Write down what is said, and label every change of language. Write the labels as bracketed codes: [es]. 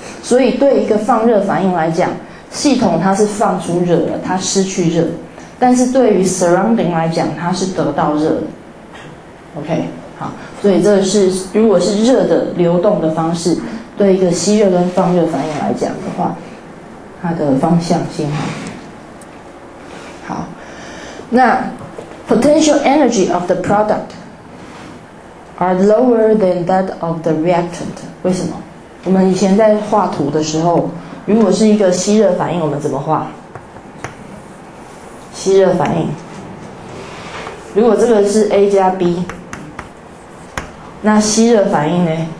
[zh] 所以对一个放热反应来讲，系统它是放出热了，它失去热，但是对于 surrounding 来讲，它是得到热。 OK， 好，所以这是如果是热的流动的方式，对一个吸热跟放热反应来讲的话，它的方向性。好，那 [en] potential energy of the product are lower than that of the reactant。 [zh] 为什么？我们以前在画图的时候，如果是一个吸热反应，我们怎么画？吸热反应，如果这个是 A 加 B， 那吸热反应呢？